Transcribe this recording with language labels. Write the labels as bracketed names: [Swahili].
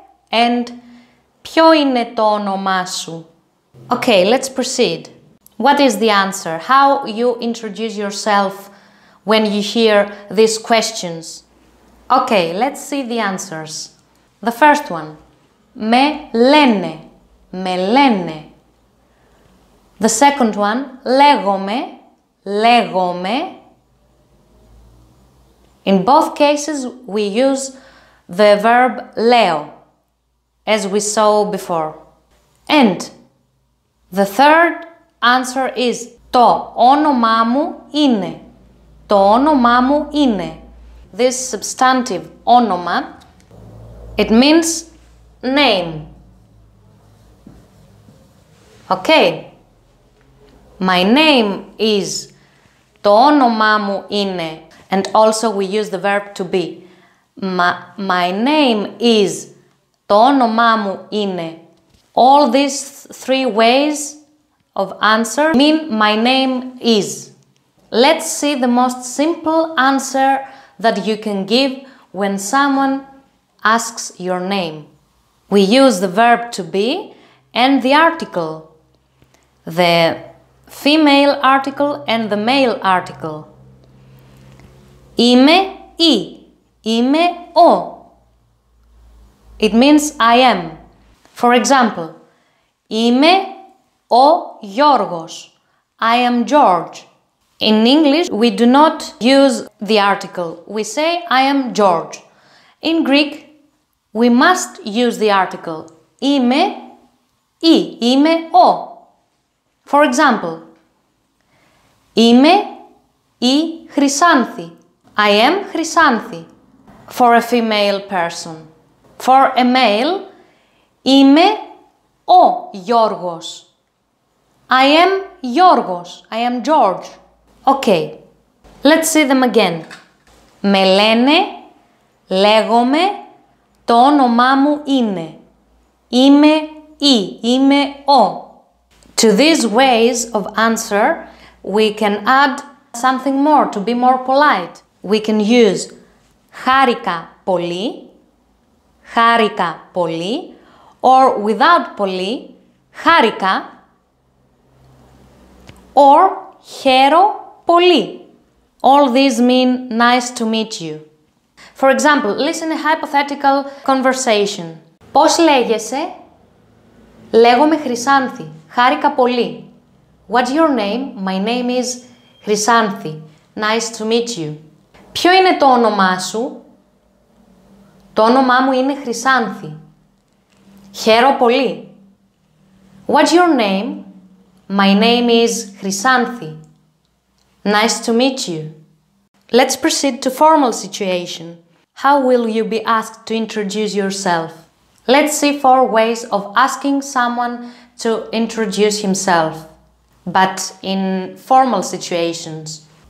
[Greek] And ποιο είναι το όνομά σου? [English] Okay, let's proceed. What is the answer? How you introduce yourself when you hear these questions? Okay, let's see the answers. The first one. [Greek] Με λένε. Με λένε. [English] The second one, [Greek] λέγομαι, λέγομαι. [English] In both cases, we use the verb λέω, as we saw before. And the third answer is, [Greek] το όνομά μου είναι, το όνομά μου είναι. [English] This substantive, όνομα, it means name. Okay. My name is, [Greek] το όνομά μου είναι, [English] and also we use the verb to be. My name is, [Greek] το όνομά μου είναι. [English] All these three ways of answer mean my name is. Let's see the most simple answer that you can give when someone asks your name. We use the verb to be and the article. The female article and the male article. [Greek] Είμαι ή. Είμαι ο. [English] It means I am. For example, [Greek] είμαι ο Γιώργος. [English] I am George. In English, we do not use the article. We say I am George. In Greek, We must use the article [Greek] είμαι, ή, είμαι, ο. For example, είμαι η Χρυσάνθη. [English] I am Χρυσάνθη. For a female person. For a male, [Greek] είμαι ο Γιώργος. [English] I am Γιώργος. I am George. Okay, let's see them again. [Greek] Με λένε, λέγομαι, το όνομά μου είναι. Είμαι η, είμαι ο. [English] To these ways of answer, we can add something more to be more polite. We can use [Greek] χάρηκα πολύ, χάρηκα πολύ, [English] or without πολύ, χάρηκα, or [Greek] χαίρο πολύ. [English] All these mean nice to meet you. For example, listen a hypothetical conversation. [Greek] Πώς λέγεσαι? Λέγομαι Χρυσάνθη. Χάρηκα πολύ. [English] What's your name? My name is Χρυσάνθη. Nice to meet you. [Greek] Ποιο είναι το όνομά σου? Το όνομά μου είναι Χρυσάνθη. Χαίρο πολύ. [English] What's your name? My name is Χρυσάνθη. Nice to meet you. Let's proceed to formal situation. How will you be asked to introduce yourself? Let's see four ways of asking someone to introduce himself, but in formal situations.